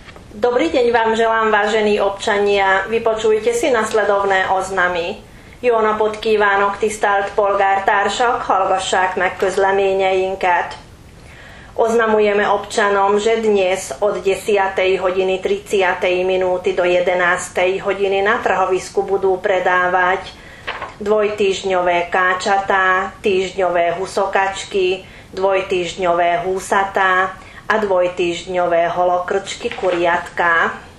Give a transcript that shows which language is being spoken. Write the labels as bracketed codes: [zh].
[sk] Dobrý deň vám želám, vážení občania. Vypočujte si nasledovné oznamy. [hu] Jó napot kívánok, tisztelt polgártársak, hallgassák meg közleményeinket. [sk] Oznamujeme občanom, že dnes od 10. hodiny 30. minúty do 11. hodiny na trhovisku budú predávať dvojtýždňové káčatá, týždňové husokačky, dvojtýždňové húsatá a dvojtýždňové holokrčky kuriatka.